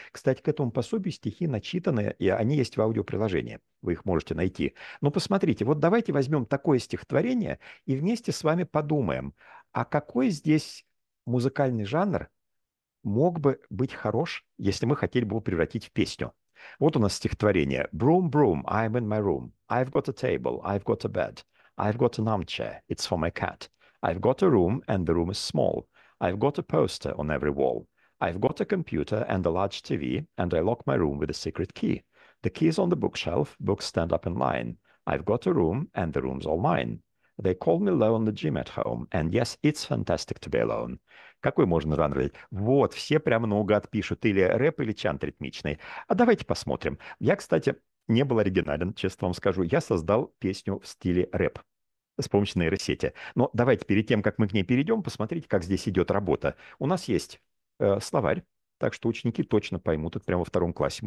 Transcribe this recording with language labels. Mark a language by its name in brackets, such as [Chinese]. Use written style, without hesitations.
[Russian] Кстати, к этому пособию стихи начитаны, и они есть в аудиоприложении. Вы их можете найти. Но посмотрите, вот давайте возьмем такое стихотворение и вместе с вами подумаем, а какой здесь музыкальный жанр мог бы быть хорош, если мы хотели бы его превратить в песню. Вот у нас стихотворение. [English] Broom, broom, I'm in my room. I've got a table, I've got a bed. I've got an armchair, it's for my cat. I've got a room, and the room is small. I've got a poster on every wall. I've got a computer and a large TV, and I lock my room with a secret key. The key is on the bookshelf, books stand up in line. I've got a room, and the room's all mine. They call me lonely Jim at home, and yes, it's fantastic to be alone. [Russian] Какой можно жанр? Вот, все прямо наугад пишут, или рэп, или чант ритмичный. А давайте посмотрим. Я, кстати, не был оригинален, честно вам скажу. Я создал песню в стиле рэп с помощью нейросети. Но давайте перед тем, как мы к ней перейдем, посмотрите, как здесь идет работа. У нас есть словарь. Так что ученики точно поймут, это прямо во втором классе.